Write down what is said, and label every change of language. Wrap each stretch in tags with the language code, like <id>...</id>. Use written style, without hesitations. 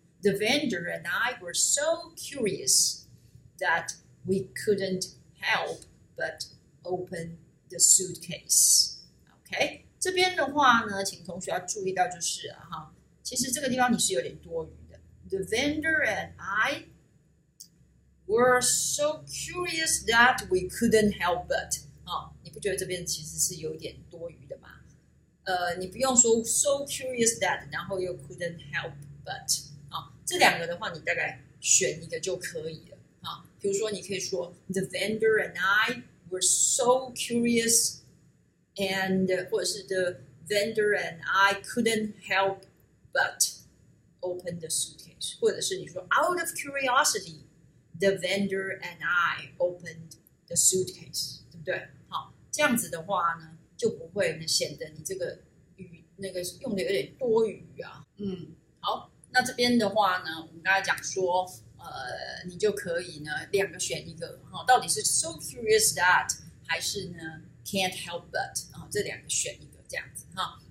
<en>The vendor and I were so curious that we couldn't help but open the suitcase.</en> <zh>OK， 这边的话呢，请同学要注意到就是哈，其实这个地方你是有点多余的。</zh> <en>The vendor and I were so curious that we couldn't help but</en> <zh>啊，你不觉得这边其实是有点多余的吗？你不用说</zh> <en>so curious that，</en> <zh>然后又</zh> <en>couldn't help but</en> <zh>啊，这两个的话，你大概选一个就可以了啊。比如说，你可以说</zh> <en>the vendor and I were so curious， and</en> <zh>或者是</zh> <en>the vendor and I couldn't help but open the suitcase，</en> <zh>或者是你说</zh> <en>out of curiosity。 The vendor and I opened the suitcase，</en> <zh>对不对？好，这样子的话呢，就不会显得你这个语那个用的有点多余啊。嗯，好，那这边的话呢，我们刚才讲说，你就可以呢，两个选一个，哈，到底是</zh> <en>so curious that</en> <zh>还是呢</zh> <en>can't help but，</en> <zh>啊，这两个选一个这样子哈。</zh>